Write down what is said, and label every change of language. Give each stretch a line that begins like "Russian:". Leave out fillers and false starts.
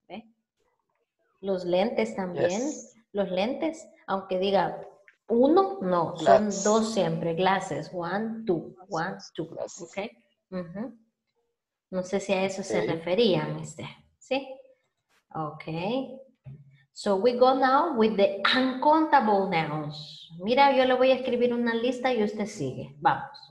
Spanish: ¿Eh? Los lentes también.
English: Yes.
Spanish: Los lentes, aunque diga... Uno, no,
English: glass.
Spanish: Son dos siempre,
English: glasses, one, two, glasses. Ok. Uh-huh.
Spanish: No sé si a eso okay. Se refería, mister, ¿sí?
English: Ok. So we go now with the uncountable nouns.
Spanish: Mira, yo le voy a escribir una lista y usted sigue, vamos.